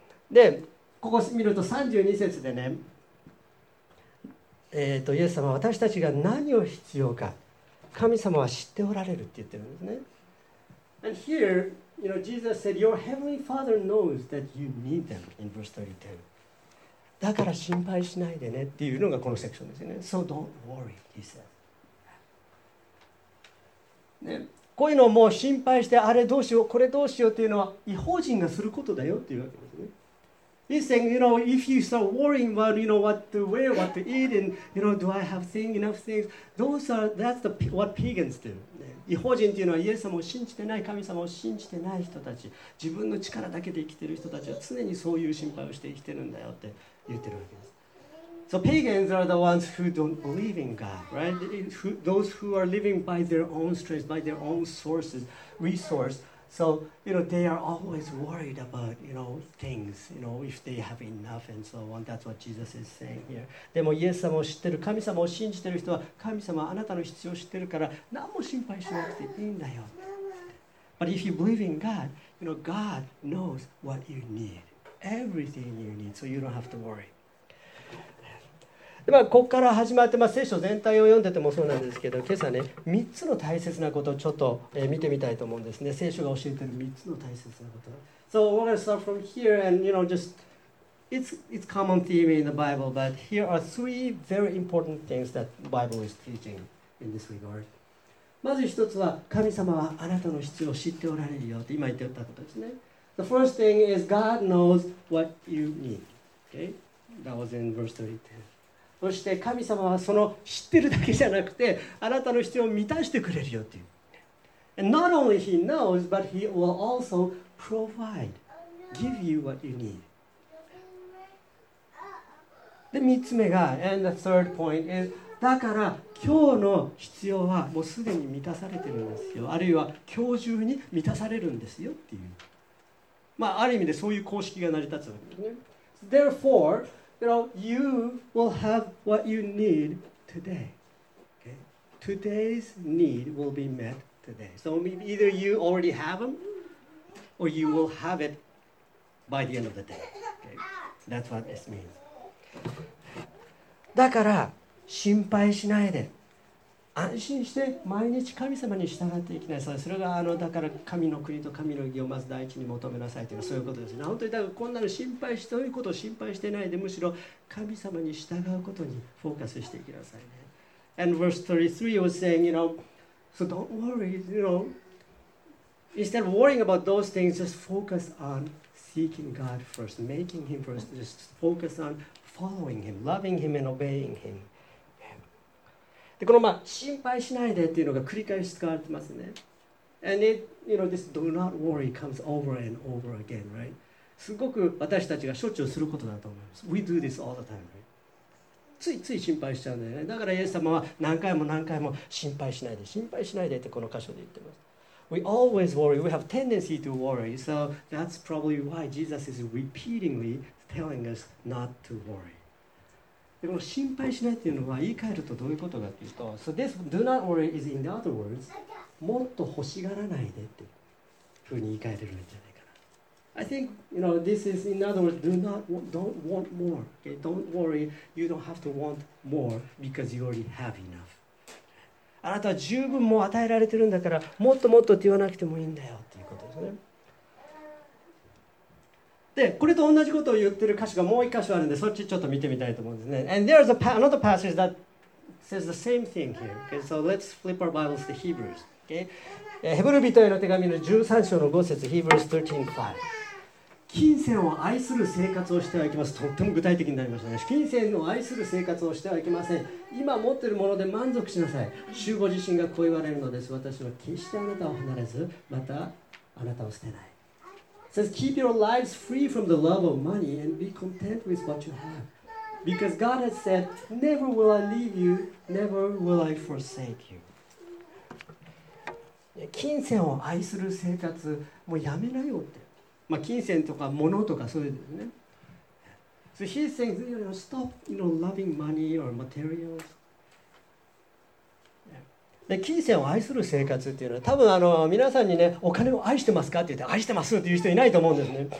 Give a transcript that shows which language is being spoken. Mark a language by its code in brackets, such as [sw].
[ja] で、ここ見ると32節でね、イエス様は私たちが何を必要か神様は知っておられるって言ってるんですね。 [en] And here, you know, Jesus said, your heavenly father knows that you need them in verse 32. [ja] だから心配しないでねっていうのがこのセクションですよね。 [en] So don't worry, he said.、 [ja] ね、こういうのをもう心配してあれどうしよう、これどうしようっていうのは異邦人がすることだよっていうわけですね。 [en] He's saying, you know, if you start worrying about, you know, what to wear, what to eat, and, you know, do I have thing, enough things, those are, that's the, what pagans do. [ja] 異邦人っていうのはイエス様を信じてない、神様を信じてない人たち、自分の力だけで生きてる人たちは常にそういう心配をして生きてるんだよって言ってるわけです。 [en] So pagans are the ones who don't believe in God, right? Those who are living by their own strength, by their own sources, resource,So, you know, they are always worried about, you know, things, you know, if they have enough and so on. That's what Jesus is saying here. [ja] でもイエス様を知ってる、神様を信じてる人は、神様はあなたの必要を知ってるから、何も心配しなくていいんだよ。 [en] But if you believe in God, you know, God knows what you need. Everything you need, so you don't have to worry. [ja] でまあ、ここから始まって、まあ、聖書全体を読んでてもそうなんですけど、今朝ね3つの大切なことをちょっと、見てみたいと思うんですね。聖書が教えている3つの大切なこと。 [en] So we're going to start from here and you know just it's common theme in the Bible, but here are three very important things that the Bible is teaching in this regard. [ja] まず1つは神様はあなたの必要を知っておられるよって今言っておったことですね。 [en] The first thing is God knows what you need. Okay? That was in verse 32. [ja] そして神様はその知ってるだけじゃなくてあなたの必要を満たしてくれるよっていう。 [en] And not only he knows, but he will also provide, give you what you need. [ja] で、三つ目が、 [en] and the third point is, [ja] だから今日の必要はもうすでに満たされてるんですよ、あるいは今日中に満たされるんですよっていう、まあある意味でそういう公式が成り立つわけですね。 [en] Therefore, you know, you will have what you need today. Okay? Today's need will be met today. So maybe either you already have them, or you will have it by the end of the day. Okay? That's what this means. [ja] だから心配しないで安心して毎日神様に従っていきなさい。それがあのだから神の国と神の義をまず第一に求めなさいというのはそういうことですね。本当にだからこんなの心配して、そういうことを心配してないで、むしろ神様に従うことにフォーカスしていきなさいね。 [en] And verse 33 was saying, you know, so don't worry, you know, instead of worrying about those things, just focus on seeking God first, making Him first, just focus on following Him, loving Him and obeying Him. [ja] でこのまあ心配しないでっていうのが繰り返し使われてますね。 [en] And it, you know, this do not worry comes over and over again, right? [ja] すごく私たちがしょっちゅうすることだと思います。 [en] We do this all the time, right? [ja] ついつい心配しちゃうんだよね。だからイエス様は何回も何回も心配しないで、心配しないでってこの箇所で言ってます。 [en] We always worry. We have tendency to worry. So that's probably why Jesus is repeatedly telling us not to worry. [ja] でも心配しないっていうのは言い換えるとどういうことかっていうと、 [en] So this do not worry is in other words, [ja] もっと欲しがらないでっていうふうに言い換えれるんじゃないかな。 [en] I think, you know, this is in other words, do not, don't want more. Okay, don't worry, you don't have to want more because you already have enough. [ja] あなたは十分もう与えられてるんだから、もっともっとって言わなくてもいいんだよっていうことですね。でこれと同じことを言ってる箇所がもう一箇所あるんで、そっちちょっと見てみたいと思うんですね。 [en] And there's another passage that says the same thing here. Okay, so let's flip our Bibles to Hebrews. Okay, [ja] ヘブル人への手紙の13章の5節、 Hebrews 13:5。金銭を愛する生活をしてはいけません。とっても具体的になりましたね。金銭を愛する生活をしてはいけません。今持ってるもので満足しなさい。主ご自身がこう言われるのです。私は決してあなたを離れず、またあなたを捨てない。 [en] Says, keep your lives free from the love of money and be content with what you have. Because God has said, never will I leave you, never will I forsake you. [ja] 金銭を愛する生活、もうやめなよって。まあ、金銭とか物とかそういうですね。 [en] So he's saying, you know, stop, you know, loving money or materials. [ja] で金銭を愛する生活っていうのは、多分皆さんにね、お金を愛してますかって言って、愛してますっていう人いないと思うんですね。